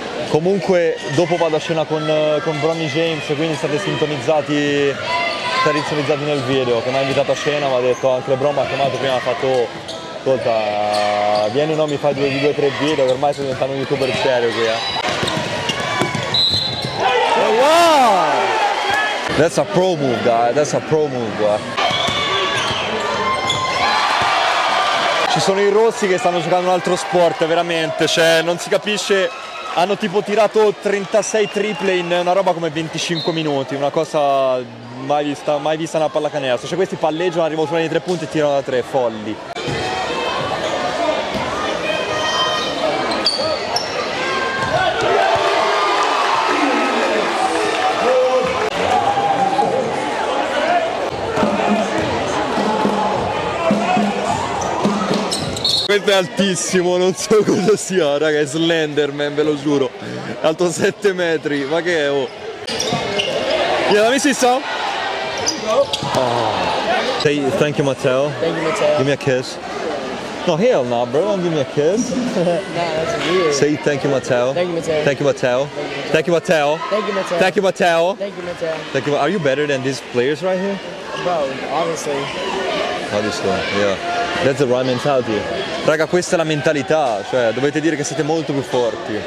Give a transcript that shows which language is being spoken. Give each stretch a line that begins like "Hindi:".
Italian: Comunque, dopo vado a scena con Bronny James, quindi state sintonizzati. Sintonizzati nel video, che mi ha invitato a scena, mi ha detto anche Bron, mi ha chiamato prima, ha fatto... Ascolta, vieni, no, mi fai due o tre video, che ormai sto diventando un youtuber serio qui, eh.
English: Oh, wow! That's a pro move, guy, that's a pro move, eh.
Italian: Ci sono i rossi che stanno giocando un altro sport, veramente, cioè, non si capisce... Hanno tipo tirato 36 triple in una roba come 25 minuti, una cosa mai vista nella pallacanestro. Cioè, questi palleggiano, arrivano sulla linea di tre punti e tirano da tre, folli. Questo è altissimo, non so cosa sia, raga, è Slenderman, ve lo giuro. È alto 7 metri, ma che è, oh.
English: Yeah, let me see some. Thank you, Matteo. Thank you, Matteo. Give me a kiss. No, hell no, bro, don't give me a kiss. Nah, that's weird. Say thank you, Matteo. Thank you, Matteo. Thank you, Matteo. Thank you, Matteo. Thank you, Matteo. Thank you, Matteo. Thank you, Matteo. Thank you, Matteo. Thank you, are you better than these players right here? Bro, honestly. Obviously, yeah. That's the right mentality.
Italian: Raga, questa è la mentalità, cioè dovete dire che siete molto più forti.